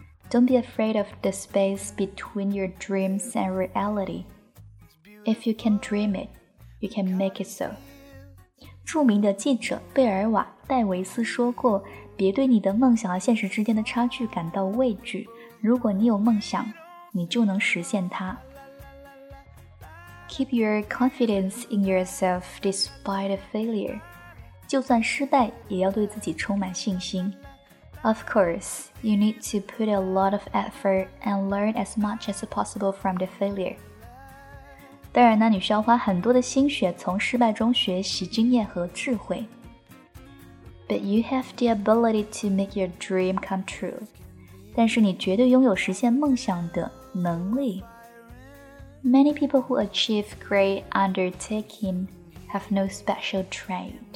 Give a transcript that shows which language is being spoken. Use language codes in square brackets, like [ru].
[en] Don't be afraid of the space between your dreams and reality. If you can dream it, you can make it so. [zh] 著名的记者贝尔瓦·戴维斯说过，别对你的梦想和现实之间的差距感到畏惧，如果你有梦想，你就能实现它。 [en] Keep your confidence in yourself despite a failure. [zh] 就算失败，也要对自己充满信心。 [en] Of course, you need to put a lot of effort and learn as much as possible from the failure. [zh] 当然呢，你需要花很多的心血，从失败中学习经验和智慧。 [en] But you have the ability to make your dream come true. [zh] 但是你绝对拥有实现梦想的能力。 [en] Many people who achieve great undertaking have no special trait.